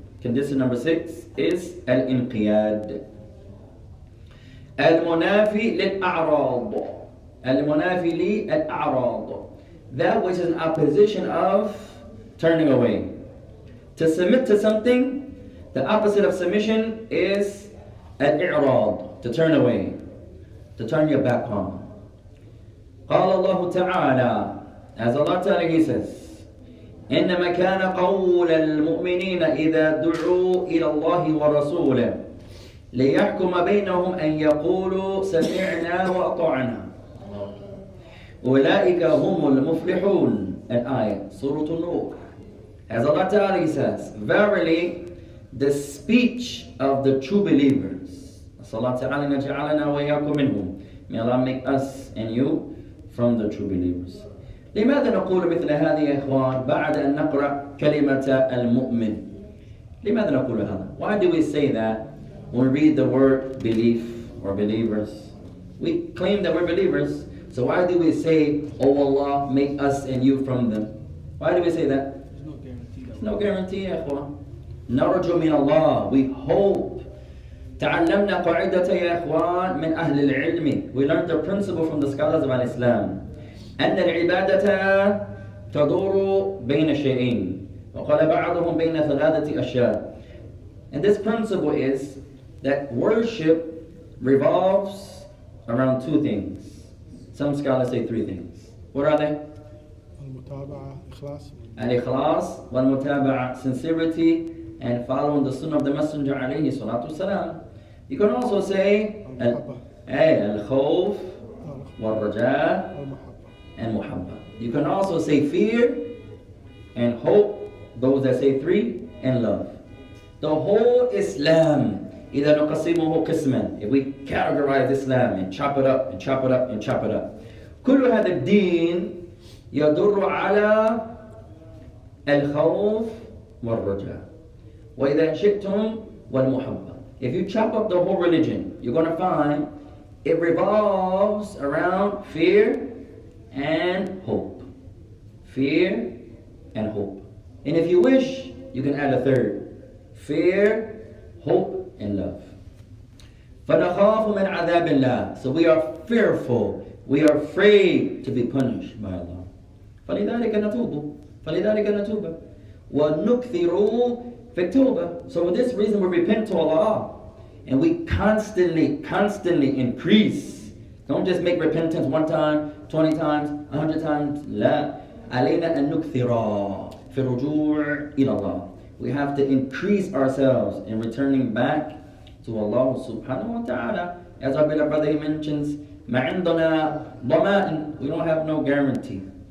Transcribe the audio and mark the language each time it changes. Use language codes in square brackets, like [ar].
[en] Condition number six is [ar] الانقياد. المنافي للأعراض. المنافي للأعراض. [en] That which is an opposition of turning away. To submit to something, the opposite of submission is الإعراض. To turn away. To turn your back on. [ar] قال الله تعالى, [en] as Allah تعالى says, [ar] إنما كان قول المؤمنين إذا دعوا إلى الله ورسوله ليحكم بينهم أن يقولوا سمعنا وأطعنا أولئك هم المفلحون. الآية سورة النور. [en] As Allah Ta'ala says, verily the speech of the true believers, [ar] صلى الله عليه وسلم, جعلنا وإياكم منهم [en] May Allah make us and you from the true believers. [ar] لماذا نقول مثل هذه يا إخوان بعد أن نقرأ كلمة المؤمن؟ لماذا نقول هذا؟ [en] Why do we say that when we read the word belief or believers? We claim that we're believers. So why do we say, Oh Allah, make us and you from them? Why do we say that? There's no guarantee. There's no guarantee, [ar] يا إخوان. نرجو من الله. [en] We hope. [ar] تعلمنا قاعدة يا إخوان من أهل العلم. [en] We learned the principle from the scholars of Islam. [ar] أن العبادة تدور بين شيئين وقال بعضهم بين ثلاثة أشياء. [en] And this principle is that worship revolves around two things. Some scholars say three things. What are they? [ar] المتابعة إخلاص. الإخلاص والمتابعة [en] sincerity and following the sunnah of the Messenger [ar] عليه الصلاة والسلام. [en] You can also say [ar] الخوف والرجاء [en] and muhabba. You can also say fear and hope, those that say three, and love. The whole Islam, [ar] إذا نقسمه قسما, [en] if we categorize Islam and chop it up and chop it up and chop it up. [ar] كل هذا الدين يدر على الخوف والرجاء. وإذا شئتم والمحبة. [en] If you chop up the whole religion, you're gonna find it revolves around fear and hope. Fear and hope. And if you wish, you can add a third. Fear, hope, and love. [ar] فَنَخَافُ مِنْ عَذَابِ اللَّهِ. [en] So we are fearful. We are afraid to be punished by Allah. [ar] فَلِذَلِكَ نَتُوبُ. فَلِذَلِكَ نَتُوبَ. وَنُكْثِرُ فِي التَّوْبَ. [en] So for this reason, we repent to Allah. And we constantly increase. Don't just make repentance one time, 20 times, 100 times. [ar] لا. علينا أن نكثر في الرجوع إلى الله. [en] We have to increase ourselves in returning back to Allah subhanahu wa ta'ala. As our beloved brother mentions, [ar] ما عندنا ضمان. [en] We don't have no guarantee.